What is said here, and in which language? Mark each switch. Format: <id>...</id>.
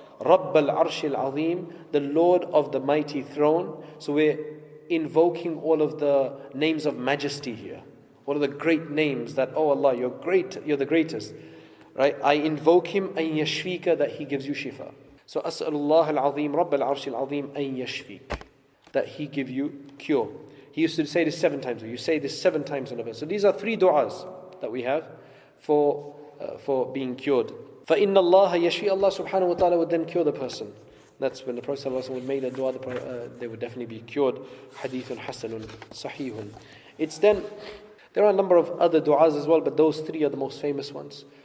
<ar>رَبَّ الْعَرْشِ الْعَظِيمُ.</ar> <en>The Lord of the Mighty Throne. So we're invoking all of the names of majesty here. What are the great names that, oh Allah, you're great, you're the greatest. Right? I invoke him,</en> <ar>أَنْ يَشْفِيكَ,</ar> <en>that he gives you shifa.</en> <ar>So أَسْأَلُ اللَّهَ الْعَظِيمُ رَبَّ الْعَرْشِ الْعَظِيمُ أَنْ يَشْفِيكَ,</ar> <en>that he give you cure. He used to say this seven times. You say this seven times in a verse. So these are three du'as that we have for being cured.</en> <ar>فَإِنَّ اللَّهَ يَشْفِي.</ar> <en>Allah subhanahu wa ta'ala would then cure the person. That's when the Prophet ﷺ would make a dua, they would definitely be cured.</en> <ar>Hadithun hasanun sahihun.</ar> <en>It's then, there are a number of other du'as as well, but those three are the most famous ones.</en>